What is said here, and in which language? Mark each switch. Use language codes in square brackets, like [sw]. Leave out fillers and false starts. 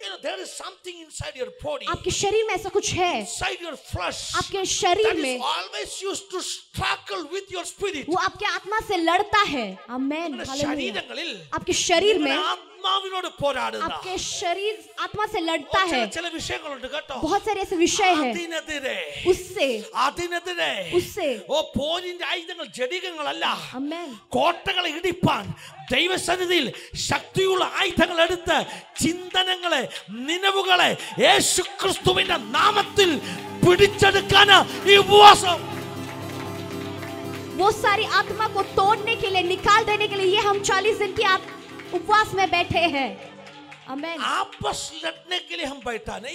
[en] there is something inside your body [hi] आपके शरीर में ऐसा कुछ है [en] inside your flesh [hi] आपके शरीर में [en] that is always used to struggle with your spirit [hi] वो आपके आत्मा से लड़ता है amen [ml] ശരീരങ്ങളിൽ [hi] आपके शरीर में [ml] ആത്മാവിനോട് പോരാടുന്നാ [hi] आपके शरीर आत्मा से लड़ता है [ml] ചില വിഷയങ്ങളുണ്ട് കേട്ടോ [hi] बहुत सारे ऐसे विषय हैं [ml] അതിനെതിരെ [hi] उससे [ml] അതിനെതിരെ [hi] उससे [ml] ഓ പോരിന്റെ ആയുധങ്ങൾ ജടികങ്ങളല്ല [en] amen [ml] കോട്ടകളെ ഇടിപ്പാൻ ദൈവസന്നിധിയിൽ ശക്തിയുള്ള ആയുധങ്ങൾ എടുത്ത് ചിന്തനങ്ങളെ നിനവുകളെ യേശുക്രിസ്തുവിന്റെ നാമത്തിൽ പിടിച്ചെടുക്കാൻ ഈ ഉപവാസം [hi] वो सारी आत्मा को तोड़ने के लिए निकाल देने के लिए ये हम 40 दिन की उपवास में बैठे हैं Amen. आपस लड़ने के लिए हम बैठा नहीं